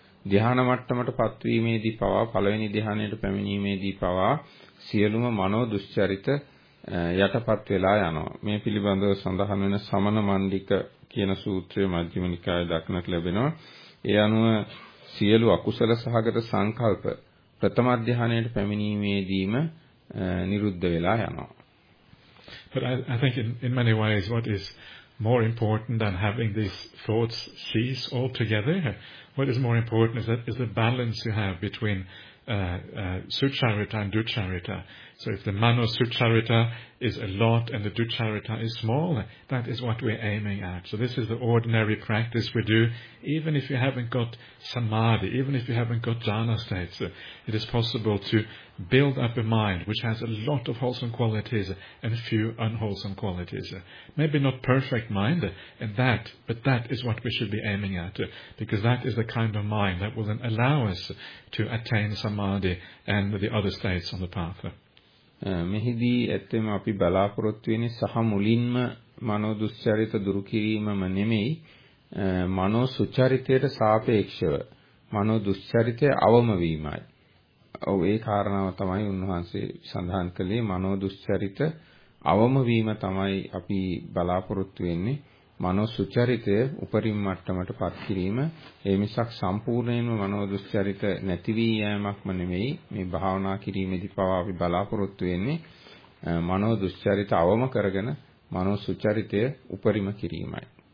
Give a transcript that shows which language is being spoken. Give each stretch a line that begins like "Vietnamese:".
Sinhala: ධ්‍යාන මට්ටමට පත්වීමේදී පවා පළවෙනි ධ්‍යානයට පැමිණීමේදී පවා සියලුම මනෝ දුස්චරිත යටපත් වෙලා යනවා. මේ පිළිබඳව සඳහන් වෙන සමන මණ්ඩික කියන සූත්‍රයේ මජ්ක්‍ධිම නිකායේ දක්නට ලැබෙනවා. ඒ අනුව සියලු අකුසල සහගත සංකල්ප ප්‍රථම ධ්‍යානයට පැමිණීමේදීම නිරුද්ධ වෙලා යනවා.
English: But I think in many ways what is more important than having these thoughts cease altogether, what is more important is the balance you have between sucharita and ducharita. So if the mano sucharita is a lot and the ducharita is small, that is what we're aiming at. So this is the ordinary practice we do, even if you haven't got samadhi, even if you haven't got jhana states, it is possible to build up a mind which has a lot of wholesome qualities and a few unwholesome qualities. Maybe not perfect mind, but that is what we should be aiming at, because that is the kind of mind that will then allow us to attain samadhi and the other states on the path.
Sinhala: මෙහිදී ඇත්තෙම අපි බලාපොරොත්තු වෙන්නේ සහ මුලින්ම මනෝ දුස්චරිත දුරු කිරීමම නෙමෙයි මනෝ සුචරිතයට සාපේක්ෂව මනෝ දුස්චරිතය අවම වීමයි. ඔව් ඒ කාරණාව තමයි උන්වහන්සේ සඳහන් කළේ මනෝ දුස්චරිත අවම වීම තමයි අපි බලාපොරොත්තු වෙන්නේ මනෝ සුචරිතය උපරිම මට්ටමට පත් කිරීම ඒ මිසක් සම්පූර්ණයෙන්ම මනෝ දුස්චරිත නැති වී යෑමක්ම නෙමෙයි මේ භාවනා කිරීමේදී පවා අපි බලාපොරොත්තු වෙන්නේ මනෝ දුස්චරිත අවම කරගෙන මනෝ සුචරිතය උපරිම කිරීමයි